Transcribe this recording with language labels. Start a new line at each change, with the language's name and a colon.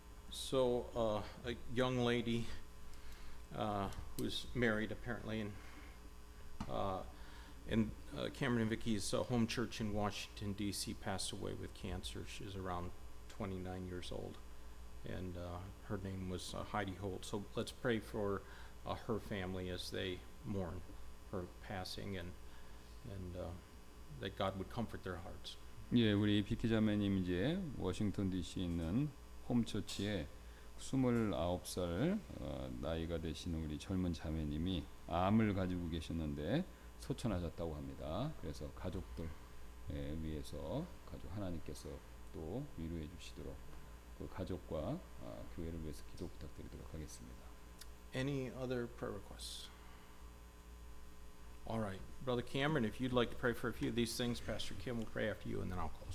English: So a young lady who's married apparently and Cameron and Vicky's home church in Washington DC passed away with cancer. She's around 29 years old and her name was Heidi Holt. So let's pray for her family as they mourn her passing and that God would comfort their hearts.
Korean: 예, 우리 비키 자매님 이제 워싱턴 DC에 있는 홈처치에 29살 나이가 되신 우리 젊은 자매님이 암을 가지고 계셨는데 소천하셨다고 합니다. 그래서 가족들 위해서 가족 하나님께서 또 위로해 주시도록 그 가족과 교회를 위해서 기도 부탁드리도록 하겠습니다.
English: Any other prayer requests? All right, Brother Cameron, if you'd like to pray for a few of these things, Pastor Kim will pray after you, and then I'll close.